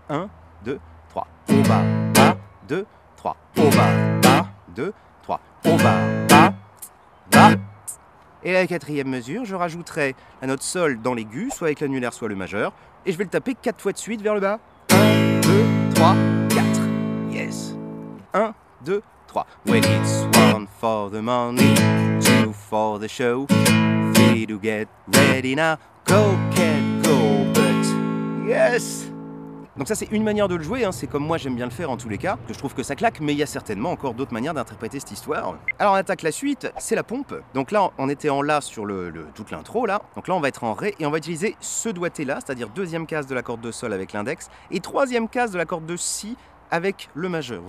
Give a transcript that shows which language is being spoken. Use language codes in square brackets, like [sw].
[fr] 1, 2, 3. On va, pas, 2, 3. On va, pas, 2, 3. On va, bas, bas. Et la quatrième mesure, je rajouterai la note sol dans l'aigu, soit avec l'annulaire, soit le majeur. Et je vais le taper 4 fois de suite vers le bas. 1, 2, 3, 4. Yes. 1, 2, 3. [en] When it's one for the money, two for the show, three to get ready now, go, can, go, but yes. [fr] Donc ça, c'est une manière de le jouer, hein. C'est comme moi j'aime bien le faire en tous les cas, que je trouve que ça claque, mais il y a certainement encore d'autres manières d'interpréter cette histoire. Alors on attaque la suite, c'est la pompe. Donc là, on était en La sur toute l'intro, là. Donc là, on va être en Ré, et on va utiliser ce doigté-là, c'est-à-dire deuxième case de la corde de Sol avec l'index, et troisième case de la corde de Si avec le majeur.